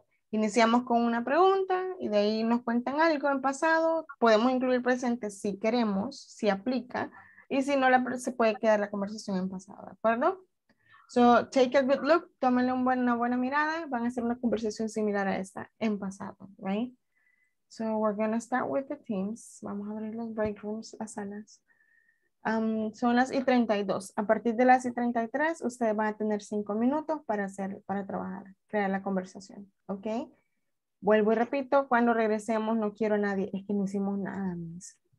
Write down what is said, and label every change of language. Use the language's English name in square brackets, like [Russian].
[Spanish] Iniciamos con una pregunta y de ahí nos cuentan algo en pasado. Podemos incluir presente si queremos, si aplica. Y si no, se puede quedar la conversación en pasado, ¿de acuerdo? [English] So, take a good look, [Spanish] tómenle una buena mirada, van a hacer una conversación similar a esta en pasado, right? [English] So, we're going to start with the teams. [Spanish] Vamos a abrir los break rooms, las salas. Son las y 32. A partir de las y 33, ustedes van a tener 5 minutos para trabajar, crear la conversación, ¿ok? Vuelvo y repito, cuando regresemos, no quiero a nadie, es que no hicimos nada, mis.